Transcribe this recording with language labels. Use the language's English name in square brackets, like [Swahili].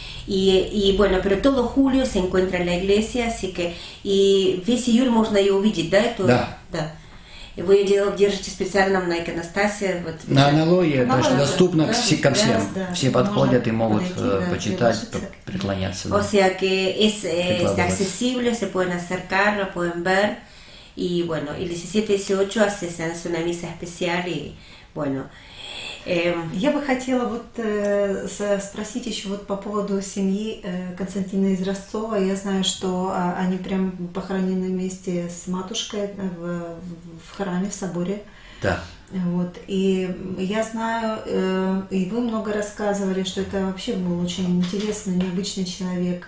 [Spanish] Y bueno, pero todo julio se encuentra en la iglesia, así que y [Russian] весь июль можно его увидеть, да, это. Да. Да. Вы её держите специально на иконостасе, вот. На аналогии, да, доступно ко всем. Раз, да. Все подходят и могут почитать, преклоняться. [Spanish] Да. O sea que es accesible, se pueden acercar, lo pueden ver. Y bueno, el 17-18 se hace una misa especial y bueno. [Russian] Я бы хотела спросить еще по поводу семьи Константина Зрацова. Я знаю, что они прям похоронены вместе с матушкой в храме, в соборе. Да. Вот. И я знаю, и вы много рассказывали, что это вообще был очень интересный, необычный человек.